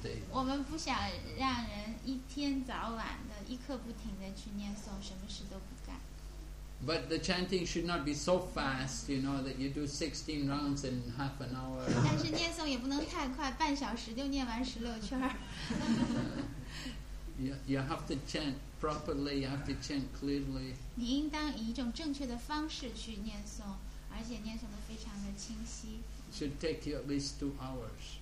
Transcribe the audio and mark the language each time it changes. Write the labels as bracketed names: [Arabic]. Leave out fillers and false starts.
[Chinese] 我们不想让人一天早晚的一刻不停的去念诵，什么事都不干。 [English] But the chanting should not be so fast, you know, that you do 16 rounds in half an hour. [Chinese] 但是念诵也不能太快，半小时就念完十六圈。 [English] You have to chant properly. You have to chant clearly. [Chinese] 你应当以一种正确的方式去念诵，而且念诵得非常的清晰。 [English] Should take you at least 2 hours.